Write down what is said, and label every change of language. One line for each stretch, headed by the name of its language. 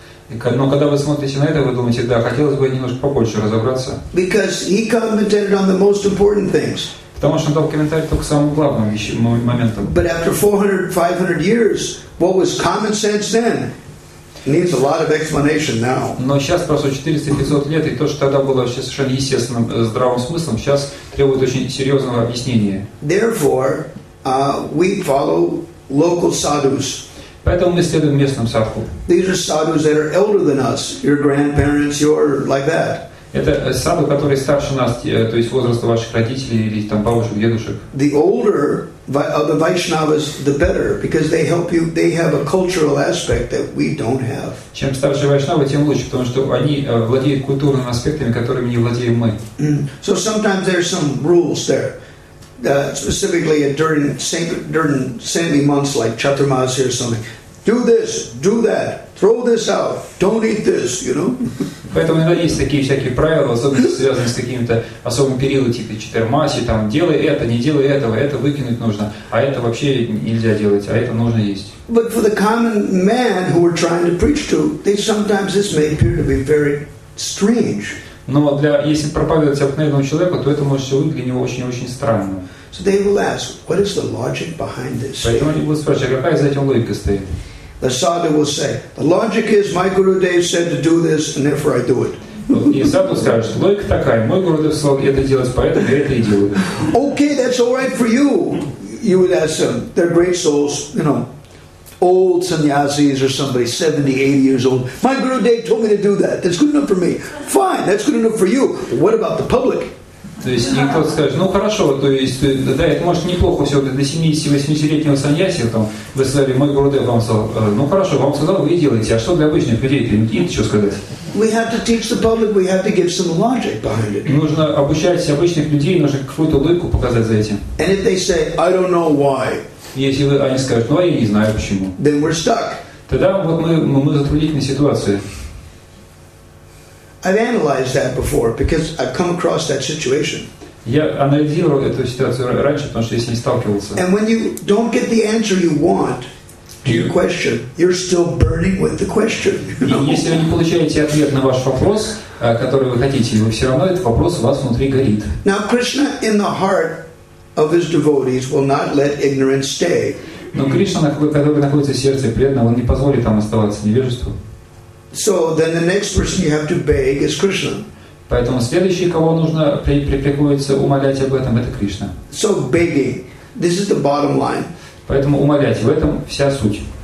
Russian: Но когда вы смотрите на это, вы думаете, да, хотелось бы немножко побольше разобраться.
English: Because he commented on the most important things.
Russian: Потому что он дал комментарий только к самым главным вещам, моментам.
English: But after 400-500 years, what was common sense then needs a lot of explanation now.
Russian: Но сейчас прошло 400-500 лет, и то, что тогда было совершенно естественным здравым смыслом, сейчас требует очень серьезного объяснения.
English: Therefore, we follow local sadhus.
Russian: Поэтому мы следуем местным садху.
English: These are sadhus that are elder than us, your grandparents, your like that.
Russian: Это саду, который старше нас, то есть возраста ваших родителей или там бабушек, дедушек.
English: The older the Vaishnavas, the better, because they help you. They have a cultural aspect that we don't have.
Russian: Чем старше Вайшнава, тем лучше, потому что они владеют культурными аспектами, которыми не владеем мы.
English: So sometimes there's some rules there, specifically during saintly months like Chaturmasi or something. Do this, do that, throw this out, don't eat this, you know?
Russian: Поэтому иногда есть такие всякие правила, особенно связанные с каким-то особым периодом, типа Четырмаси, там, делай это, не делай этого, это выкинуть нужно, а это вообще нельзя делать, а это нужно есть.
English: But for the common man who we're trying to preach to, they sometimes this may appear to be very strange.
Russian: Но для, если проповедовать обыкновенному человеку, то это может выглядеть для него очень-очень странно.
English: So they will ask, what is the logic behind this?
Russian: Поэтому они будут спрашивать, а какая за этим логика стоит?
English: The sadhu will say, the logic is my Gurudev said to do this, and therefore I do it.
Russian: И сатва скажет, логика такая, мой Гурудев сказал это делать, поэтому я это и делаю.
English: Okay, that's all right for you. You would ask them, they're great souls, you know, old sannyasis or somebody, 70, 80 years old. My Gurudev told me to do that. That's good enough for me. Fine, that's good enough for you. But what about the public?
Russian: То есть, и кто-то скажет, ну хорошо, то есть, да, это может неплохо, все, для 70-80-летнего саньяси, там, вы сказали, мой Гурудев вам сказал, ну хорошо, вам сказал, вы делаете, а что для обычных людей, им что сказать? Нужно обучать обычных людей, нужно какую-то логику показать за этим.
English: And if they say, I don't know why,
Russian: если вы, они скажут, ну а я не знаю почему,
English: then we're stuck.
Russian: Тогда вот мы в затруднительной ситуации.
English: I've analyzed that before because I've come across that situation.
Russian: Я анализировал эту ситуацию раньше, потому что я с ней сталкивался.
English: And when you don't get the answer you want to your question, you're still burning with the question.
Russian: Если вы не получаете ответ на ваш вопрос, который вы хотите, вы все равно этот вопрос у вас внутри горит.
English: Now Krishna, in the heart of his devotees, will not let ignorance stay.
Russian: Но Кришна, который находится в сердце преданного, он не позволит там оставаться невежеству.
English: So then the next person you have to beg is Krishna.
Russian: Поэтому следующий, кого нужно приходится умолять об этом, это Кришна.
English: So begging, this is the bottom line.
Russian: Поэтому умолять, в этом вся суть.